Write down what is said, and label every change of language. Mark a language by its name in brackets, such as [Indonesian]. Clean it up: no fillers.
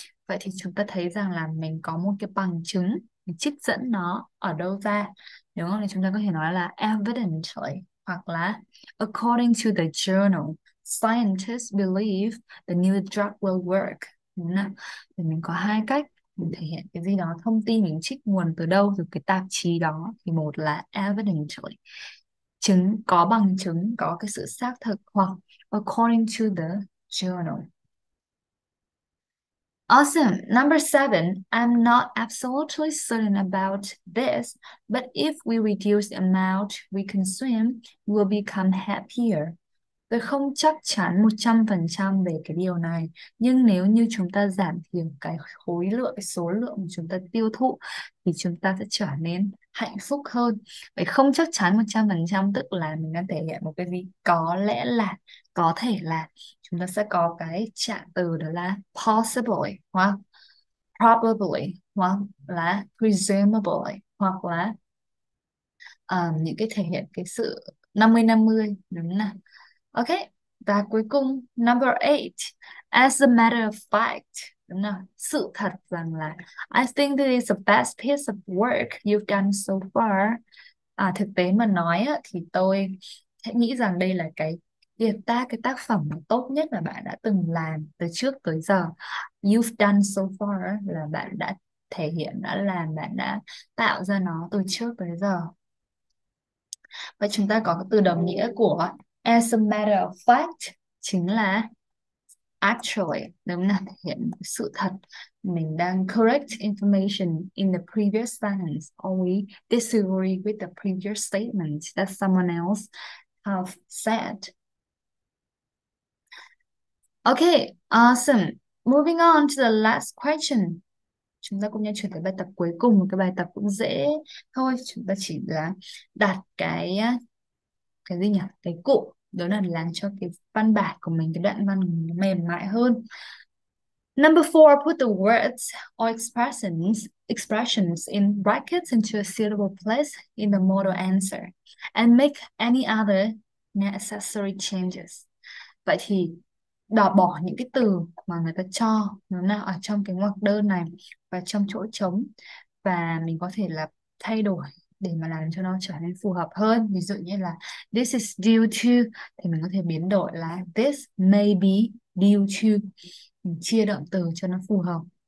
[Vietnamese] Vậy thì chúng ta thấy rằng là mình có một cái bằng chứng, mình trích dẫn nó ở đâu ra, đúng không? Thì chúng ta có thể nói là evidently hoặc là [English] according to the journal, scientists believe the new drug will work. [Vietnamese] Đúng không? Thì mình có hai cách mình thể hiện cái gì đó, thông tin mình trích nguồn từ đâu, từ cái tạp chí đó, thì một là evidently, chứng, có bằng chứng, có cái sự xác thực, hoặc [English] according to the journal. Awesome. Number seven, I'm not absolutely certain about this, but if we reduce the amount we consume, we'll become happier. [Vietnamese] Tôi không chắc chắn 100% về cái điều này, nhưng nếu như chúng ta giảm thiểu cái khối lượng, cái số lượng mà chúng ta tiêu thụ thì chúng ta sẽ trở nên hạnh phúc hơn. Vậy không chắc chắn 100% tức là mình đang thể hiện một cái gì? Có lẽ là, có thể là chúng ta sẽ có cái trạng từ đó là possibly, hoặc probably, hoặc là presumably, hoặc là những cái thể hiện cái sự 50-50, đúng không nào? [English] Ok, [Vietnamese] và cuối cùng, [English] number 8, as a matter of fact, [Vietnamese] đúng không? Sự thật rằng là [English] I think this is the best piece of work you've done so far. [Vietnamese] À, thực tế mà nói á, thì tôi sẽ nghĩ rằng đây là cái việc ta cái tác phẩm tốt nhất mà bạn đã từng làm từ trước tới giờ. [English] You've done so far [Vietnamese] là bạn đã thể hiện, đã làm, bạn đã tạo ra nó từ trước tới giờ. Vậy chúng ta có từ đồng nghĩa của [English] as a matter of fact [Vietnamese] chính là actually, đúng không nào, thể hiện sự thật. Mình đang [English] correct information in the previous sentence or we disagree with the previous statement that someone else have said. Okay, awesome. Moving on to the last question. [Vietnamese] Chúng ta cũng nên chuyển tới bài tập cuối cùng, một cái bài tập cũng dễ thôi. Chúng ta chỉ là đặt cái gì nhỉ, cái cụm, đó là làm cho cái văn bản của mình, cái đoạn văn mình mềm mại hơn. [English] Number four, put the words or expressions in brackets into a suitable place in the model answer and make any other necessary changes. [Vietnamese] Vậy thì đọc bỏ những cái từ mà người ta cho nó nào ở trong cái ngoặc đơn này và trong chỗ trống, và mình có thể là thay đổi để mà làm cho nó trở nên phù hợp hơn. Ví dụ như là [English] this is due to, [Vietnamese] thì mình có thể biến đổi là [English] this may be due to, [Vietnamese] mình chia động từ cho nó phù hợp.